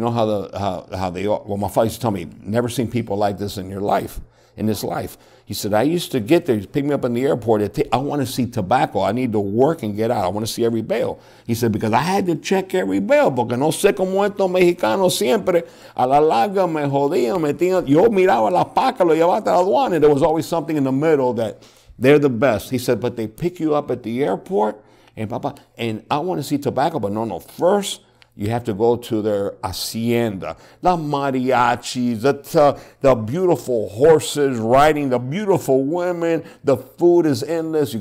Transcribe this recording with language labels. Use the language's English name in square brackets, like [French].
[English] You know how they are. Well, my father used to tell me, never seen people like this in your life, in this life. He said, I used to get there. He'd pick me up in the airport. I want to see tobacco. I need to work and get out. I want to see every bale. He said, because I had to check every bale. [Spanish] Porque no sé cómo estos mexicanos siempre. A la larga me jodían, me tenían. Yo miraba la paca, lo llevaba hasta la aduana. [English] And there was always something in the middle that they're the best. He said, but they pick you up at the airport. And Papa, and I want to see tobacco, but no. First, you have to go to their hacienda, the mariachis, the beautiful horses riding, the beautiful women, the food is endless.